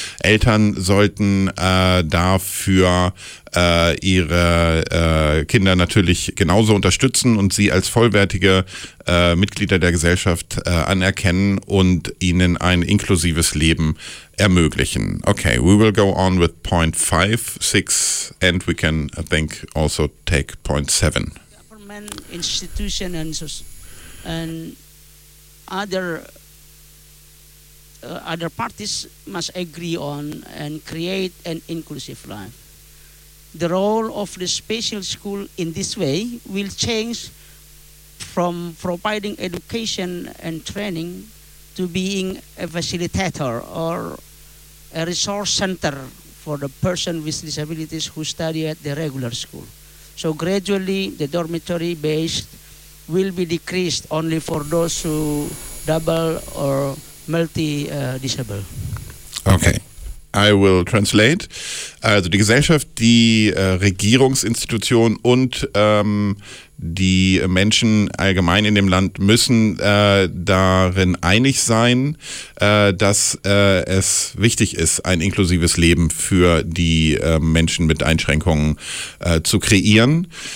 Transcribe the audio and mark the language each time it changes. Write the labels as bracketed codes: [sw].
[de] Eltern sollten dafür ihre Kinder natürlich genauso unterstützen und sie als vollwertige Mitglieder der Gesellschaft anerkennen und ihnen ein inklusives Leben ermöglichen. [en] Okay, we will go on with point 5, 6 and we can, I think, also take point 7. Government institutions and other other parties must agree on and create an inclusive life. The role of the special school in this way will change from providing education and training to being a facilitator or a resource center for the person with disabilities who study at the regular school. So gradually the dormitory base will be decreased only for those who double or multi-disable. Okay. I will translate. [de] Also die Gesellschaft, die Regierungsinstitution und die Menschen allgemein in dem Land müssen darin einig sein, dass es wichtig ist, ein inklusives Leben für die Menschen mit Einschränkungen zu kreieren.